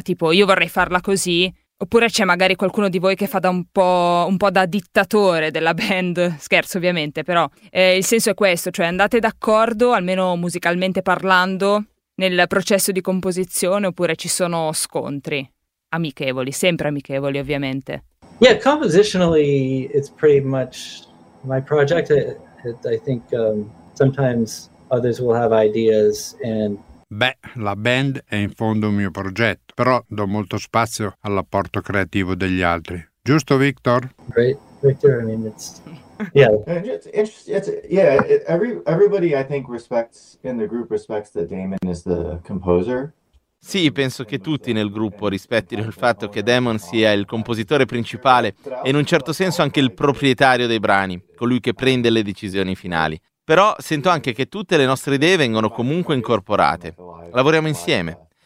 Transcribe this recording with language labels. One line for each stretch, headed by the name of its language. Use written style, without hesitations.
Italian: Tipo, io vorrei farla così? Oppure c'è magari qualcuno di voi che fa da un po' da dittatore della band? Scherzo ovviamente, però il senso è questo, cioè andate d'accordo, almeno musicalmente parlando, nel processo di composizione, oppure ci sono scontri amichevoli, sempre amichevoli ovviamente?
English: Yeah, compositionally it's pretty much my project. I think sometimes others will have ideas and...
Italian: Beh, la band è in fondo un mio progetto, però do molto spazio all'apporto creativo degli altri. Giusto, Victor?
English: Great, Victor. I mean, it's Everybody, I think, respects in the group respects that Damon is the composer.
Italian: Sì, penso che tutti nel gruppo rispettino il fatto che Damon sia il compositore principale e in un certo senso anche il proprietario dei brani, colui che prende le decisioni finali. Però sento anche che tutte le nostre idee vengono comunque incorporate. Lavoriamo insieme.